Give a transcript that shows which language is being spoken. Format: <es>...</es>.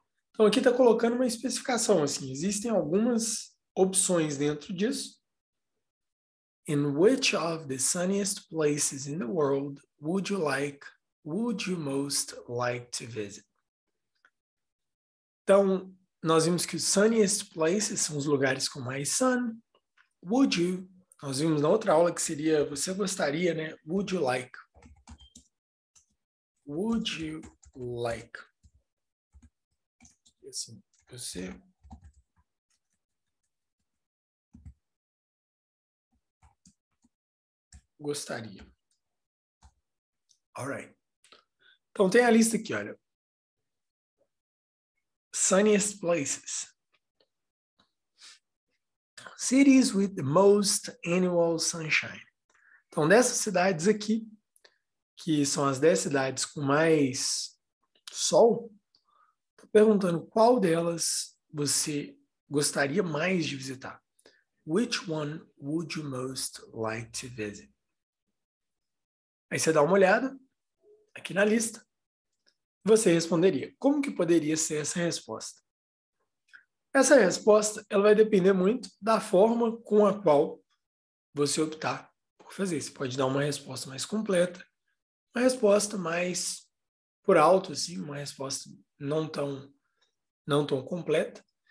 <pt>Então, aqui está colocando uma especificação. Assim, existem algumas opções dentro disso.</pt> <en>In which of the sunniest places in the world would you most like to visit?</en> <pt>Então, nós vimos que os sunniest places são os lugares com mais sun.</pt> <en>Would you?</en> <pt>Nós vimos na outra aula que seria você gostaria, né?</pt> <en>Would you like? Would you like?</en> <pt>Assim, você. Gostaria.</pt> <en>Alright.</en> <pt>Então tem a lista aqui, olha.</pt> <en>Sunniest places. Cities with the most annual sunshine.</en> <pt>Então, dessas cidades aqui, que são as 10 cidades com mais sol, tô perguntando qual delas você gostaria mais de visitar.</pt> <en>Which one would you most like to visit?</en> <pt>Aí você dá uma olhada aqui na lista, você responderia. Como que poderia ser essa resposta? Essa resposta, ela vai depender muito da forma com a qual você optar por fazer. Você pode dar uma resposta mais completa, uma resposta mais por alto, assim, uma resposta não tão completa.</pt>